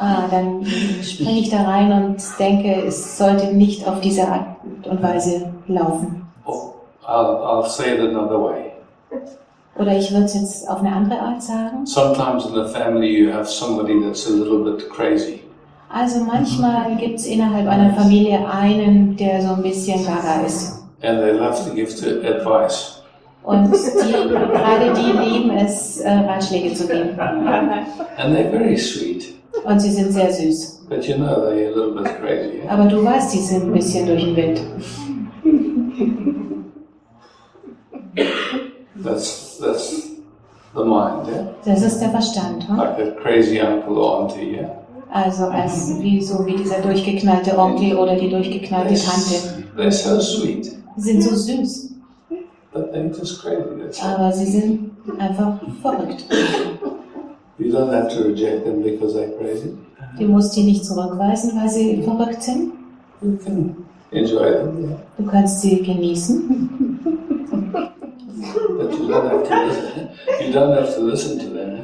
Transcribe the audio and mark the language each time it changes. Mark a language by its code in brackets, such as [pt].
[de] dann springe ich da rein und denke, es sollte nicht auf diese Art und Weise laufen. [en] I'll say it another way. [de] Oder ich würde es jetzt auf eine andere Art sagen. [en] Sometimes in the family you have somebody that's a little bit crazy. [de] Also manchmal gibt es innerhalb einer Familie einen, der so ein bisschen gaga ist. [en] And they love to give advice. [de] Und gerade die lieben es, Ratschläge zu geben. [en] And they're very sweet. [de] Und sie sind sehr süß. [en] But you know they're a little bit crazy. Yeah? [de] Aber du weißt, die sind ein bisschen durch den Wind. [en] That's the mind, yeah? [de] Das ist der Verstand, huh? [en] Like a crazy uncle or auntie, yeah? [de] Also wie dieser durchgeknallte Onkel oder die durchgeknallte Tante. [en] They're so sweet. [de] Sie sind so süß. [en] But they're just crazy. [de] Aber sie sind einfach verrückt. [en] You don't have to reject them because they're crazy. [de] Du musst die nicht zurückweisen, weil sie verrückt sind. [en] You can enjoy them, yeah. [de] Du kannst sie genießen. [en] But you don't have to listen to them.